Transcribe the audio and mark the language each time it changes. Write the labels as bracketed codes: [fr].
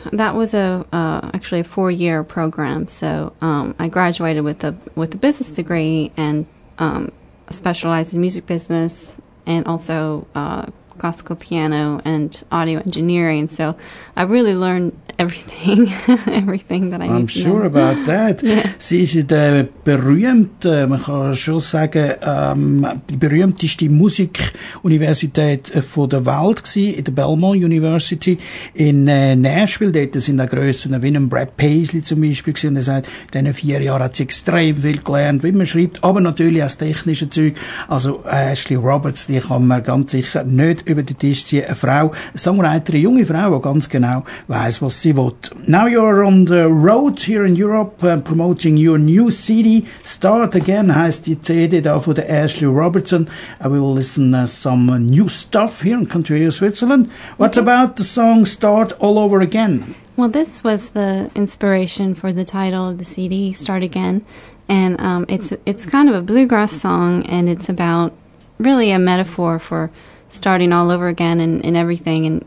[en] That was actually a 4-year program. So I graduated with a business degree and specialized in music business and also classical piano and audio engineering. So I really learned everything, everything that I need know. I'm sure about that. [de] Sie ist der berühmte, man kann schon sagen, die berühmteste Musikuniversität der Welt gewesen, in der Belmont University in Nashville. Dort sind auch Grössen wie ein Brad Paisley zum Beispiel gewesen. Und er sagt, in diesen 4 Jahren hat sie extrem viel gelernt, wie man schreibt, aber natürlich auch das technische Zeug. Also Ashley Roberts, die kann man ganz sicher nicht über den Tisch ziehen. Eine Frau, eine Songwriter, eine junge Frau, die ganz genau weiss, was sie will. [en] Now you're on the road here in Europe, promoting your new CD. [de] Start Again heißt die CD da von der Ashley Robertson. [en] We will listen some new stuff here in Country Radio Switzerland. What about the song Start All Over Again? Well, this was the inspiration for the title of the CD, Start Again. And it's kind of a bluegrass song, and it's about really a metaphor for starting all over again in everything.